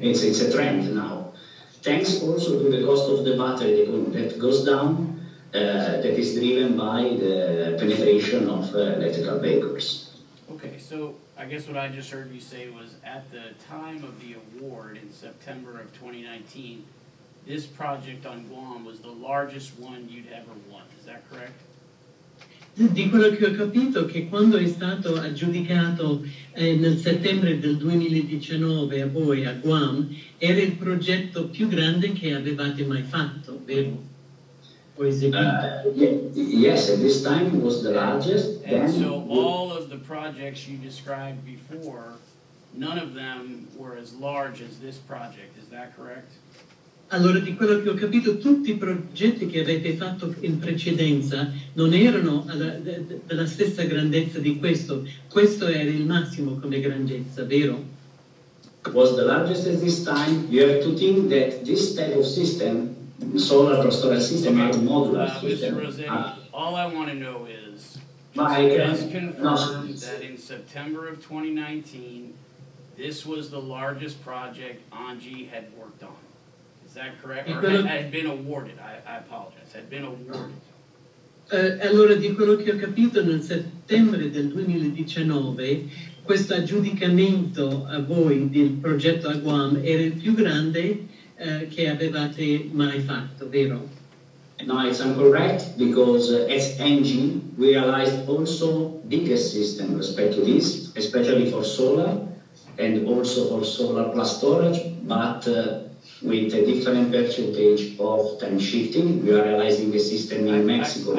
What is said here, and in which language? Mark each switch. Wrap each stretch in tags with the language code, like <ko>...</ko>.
<en>It's a trend now. Thanks also to the cost of the battery that goes down, that is driven by the penetration of electrical vehicles. Okay, so I guess what I just heard you say was, at the time of the award in September of 2019, this project on Guam was the largest one you'd ever won. Is that correct?</en> <it>Di quello che ho capito, che quando è stato aggiudicato nel settembre del 2019 a voi a Guam, era il progetto più grande che avevate mai fatto, vero?</it> <en>Yes, at this time it was the largest. And so all of the projects you described before, none of them were as large as this project, is that correct?</en> <it>Allora, di quello che ho capito, tutti i progetti che avete fatto in precedenza non erano della stessa grandezza di questo. Questo era il massimo come grandezza, vero?</it> <en>Was the largest at this time. You have to think that this type of system, solar storage system, Mr. Rosetti, all I want to know is, Just confirm that in September of 2019, this was the largest project Angie had worked on. Is that correct? Or had been awarded. I apologize. Had been awarded.</en> <it>Allora, di quello che ho capito, nel settembre del 2019, questo aggiudicamento a voi del progetto Aguam era il più grande che avevate mai fatto, vero?</it> <en>No, it's incorrect, because as Engine, we realized also bigger system respect to this, especially for solar, and also for solar plus storage, but with a different percentage of time shifting, we are realizing the system in Mexico.</en>